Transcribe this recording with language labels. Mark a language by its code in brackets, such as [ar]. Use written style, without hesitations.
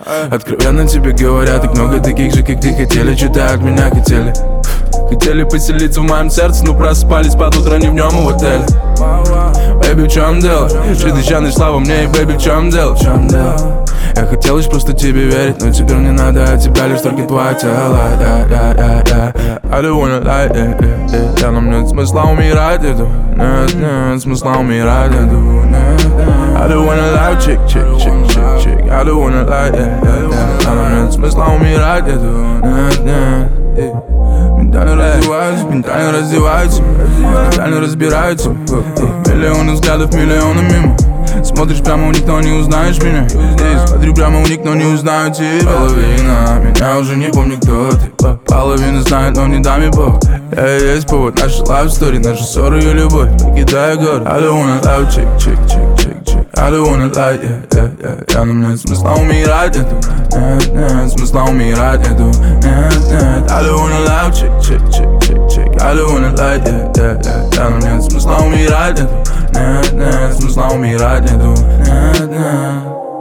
[ru] Откровенно тебе говорят, так много таких же, как ты, хотели читать меня, хотели. Хотели поселиться в моем сердце, но проспались под утро не в нем, а в отеле. Бэйби, в чем дело? Чудесчанный слава мне, и бэйби, в чем дело? В чем дело? Я хотел лишь просто тебе верить, но теперь мне надо от тебя лишь только твое тело. Да-да-да-да. [en] I don't wanna lie, yeah, yeah. [ru] Нам нет смысла умирать, я нет, нет, смысла умирать, я нет. [en] I don't wanna lie, chick, chick, chick, chick, chick. I don't wanna lie, yeah, yeah, yeah. [ru] Нам нет смысла умирать, я нет, нет. Ментально раздеваются, ментально раздеваются, ментально разбираются. Миллионы взглядов, миллионы мимо. Смотришь прямо у них, но не узнаешь меня. Смотрю прямо у них, но не узнаю тебя. Половина меня уже не помню, кто ты. Половина знает, но не дам ей повод. Я и есть повод, наша love story, наша ссора и любовь. Покидаю город. [en] I don't wanna love, chick, chick, chick, chick, chick. I don't wanna lie, yeah, yeah, yeah. [ru] Я, но мне смысла умирать нету. Нет, нет, смысла умирать нету. Нет, нет. [en] I don't wanna love, chick, chick, chick, chick, chick. I don't wanna lie, yeah, yeah, yeah. [ru] Я, но мне смысла умирать нету. Нет, нет, смысла умирать нету. Нет, нет.